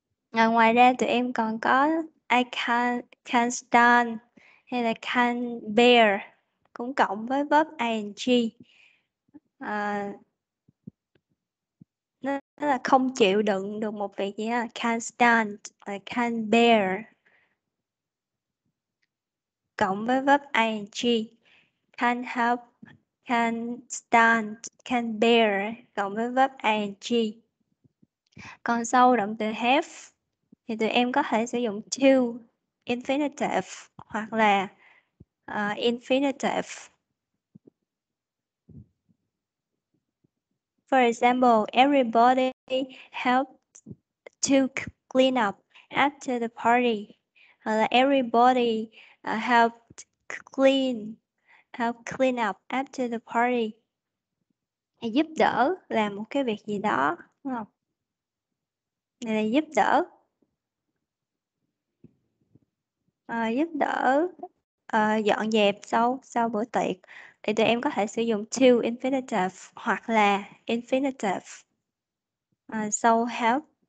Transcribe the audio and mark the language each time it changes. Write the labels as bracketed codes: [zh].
[vi] À, ngoài ra tụi em còn có [en] I can't stand [vi] hay là can't bear cũng cộng với verb ing, à, nó là không chịu đựng được một việc gì á, [en] can't stand, can't bear [vi] cộng với verb ing, [en] can't help, can't stand, can't bear [vi] cộng với verb ing. Còn sau động từ have thì tụi em có thể sử dụng to infinitive hoặc là infinitive. [en] Example, everybody helped to clean up after the party. [vi] Hoặc là [en] everybody helped clean up after the party. [vi] Để giúp đỡ làm một cái việc gì đó, đúng không? Này là giúp đỡ. Giúp đỡ dọn dẹp sau sau bữa tiệc thì tụi em có thể sử dụng to infinitive hoặc là infinitive sau help.